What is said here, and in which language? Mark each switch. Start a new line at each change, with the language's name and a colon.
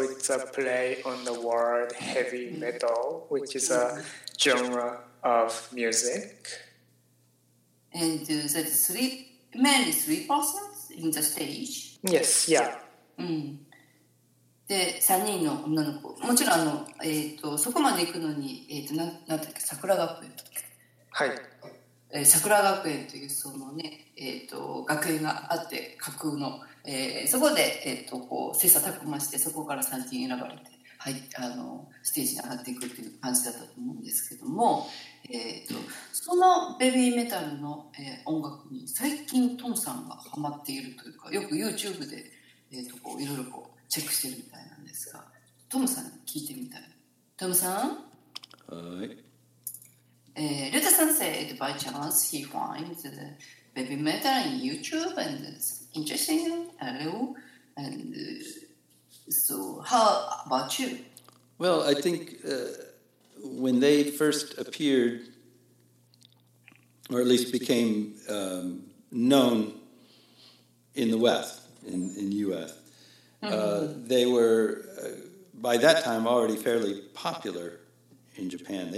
English: It's a play on the word heavy metal, which is a genre of music. And there's mainly three persons in the stage. Yes, yeah.
Japanese: で、3人の女の子。もちろん、そこまで行くのに、なんだっけ、桜学園とか。はい。桜学園というそのね、学園があって、架空の。そこで、切磋琢磨して、そこから3人選ばれて、はい、ステージに上がっていくっていう感じだったと思うんですけども、そのベビーメタルの、音楽に最近トムさんがハマっているというか、よく YouTube で、こういろいろこうチェックしてるみたいなんですが、トムさんに聞いてみたい。トムさん、はい、
English: ルタさん said by chance he finds the baby metal in YouTube and it's interesting and so how about you? Well, I think when they first appeared, or at least became known in the West, in U.S., they were, by that time, already fairly popular in Japan.